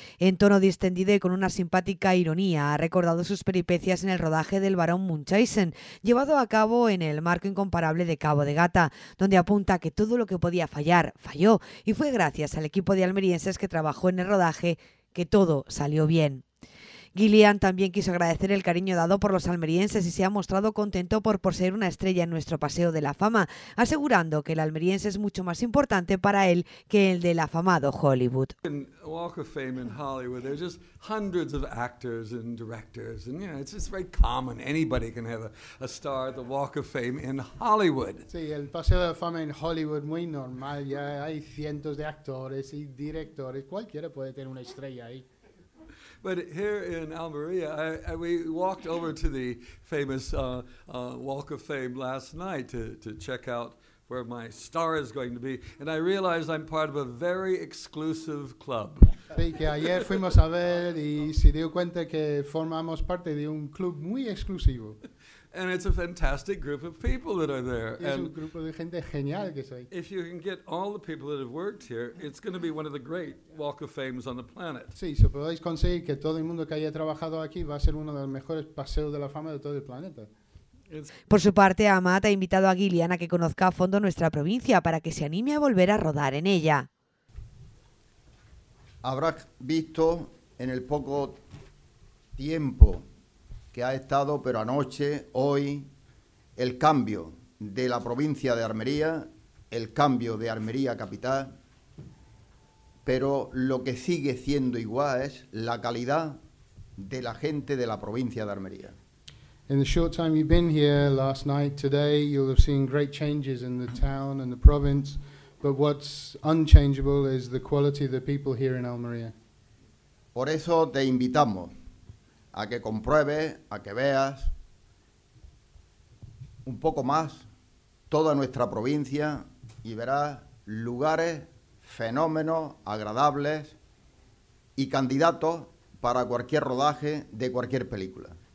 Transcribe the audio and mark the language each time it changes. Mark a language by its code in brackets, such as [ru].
[es] En tono distendido y con una simpática ironía, ha recordado sus peripecias en el rodaje del Barón Munchausen, llevado a cabo en el marco incomparable de Cabo de Gata, donde apunta que todo lo que podía fallar, falló, y fue gracias al equipo de almerienses que trabajó en el rodaje que todo salió bien. Gilliam también quiso agradecer el cariño dado por los almerienses y se ha mostrado contento por poseer una estrella en nuestro paseo de la fama, asegurando que el almeriense es mucho más importante para él que el del afamado Hollywood. [en] En Walk of Fame in Hollywood, there's just hundreds of actors and directors, and you know, it's just very common. Anybody can have a star at the Walk of Fame in Hollywood. [es] Sí, el paseo de la fama en Hollywood muy normal. Ya hay cientos de actores y directores. Cualquiera puede tener una estrella ahí. [en] But here in Almería, we walked over to the famous Walk of Fame last night to check out where my star is going to be, and I realized I'm part of a very exclusive club. [es] Sí, que ayer fuimos a ver y se dio cuenta que formamos parte de un club muy exclusivo. [en] And it's a fantastic group of people that are there. [es] Es un grupo de gente genial que soy. [en] If you can get all the people that have worked here, it's going to be one of the great Walk of Fames on the planet. [es] Sí, si podéis conseguir que todo el mundo que haya trabajado aquí va a ser uno de los mejores paseos de la fama de todo el planeta. Por su parte, Amat ha invitado a Gilliam a que conozca a fondo nuestra provincia para que se anime a volver a rodar en ella. Habrás visto en el poco tiempo que ha estado, pero anoche, hoy, el cambio de la provincia de Almería, el cambio de Almería capital, pero lo que sigue siendo igual es la calidad de la gente de la provincia de Almería. [en] In the short time you've been here, last night, today, you'll have seen great changes in the town and the province, but what's unchangeable is the quality of the people here in Almería. [es] Por eso te invitamos a que compruebes, a que veas un poco más toda nuestra provincia y verás lugares, fenómenos, agradables y candidatos para cualquier rodaje de cualquier película.